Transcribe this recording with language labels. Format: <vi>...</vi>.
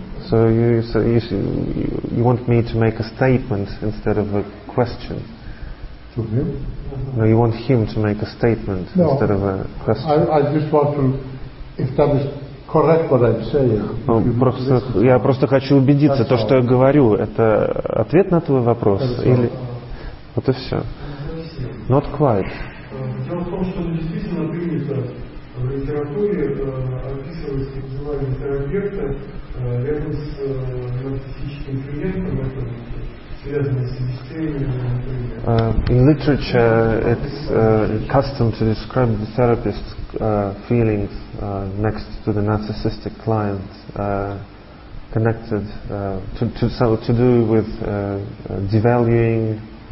<en>So you want me to make a statement instead of a question? To him? No, you want him to make a statement instead of a question. I just want to establish correct what I'm saying.</en> <ru>Ну, просто, я просто хочу убедиться, то, что я говорю, это ответ на твой вопрос? Или... Вот и все.</ru> <en>Not quite.</en> <ru>Дело в том, что действительно принято в литературе описывать так называемые терапевты рядом с нарциссическим клиентом, это связано с обесцениванием, например.</ru> <en>In literature, it's custom to describe the therapist's feelings next to the narcissistic client, connected to do with devaluing.</en>